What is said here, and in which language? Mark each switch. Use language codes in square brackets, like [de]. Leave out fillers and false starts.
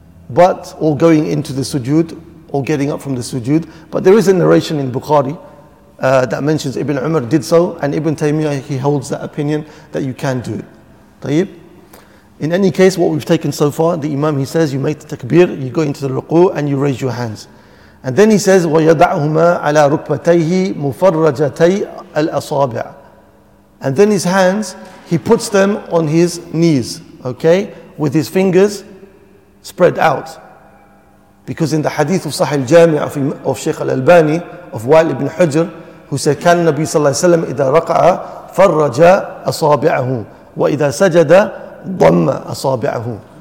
[en] But or going into the sujood or getting up from the sujood. But there is a narration in Bukhari that mentions Ibn Umar did so, and Ibn Taymiyyah, he holds that opinion that you can do it. [ar] طيب. [en] In any case, what we've taken so far, the Imam, he says, you make the takbir, you go into the ruku' and you raise your hands. And then he says, [ar] وَيَدَعْهُمَا عَلَىٰ رُكْبَتَيْهِ مُفَرَّجَتَيْ الْأَصَابِعَ. [en] And then his hands, he puts them on his knees, okay, with his fingers spread out. Because in the hadith of Sahih al-Jami' of Shaykh al-Albani, of Wal ibn Hujr, who said, [ar] كَانَ النَّبِي صَلَّى اللَّهِ وَسَلَّمَ إِذَا رَقَعَ فَرَّجَ أَصَابِعَهُ وَإِذَا سَجَدَ ضم أصابعه.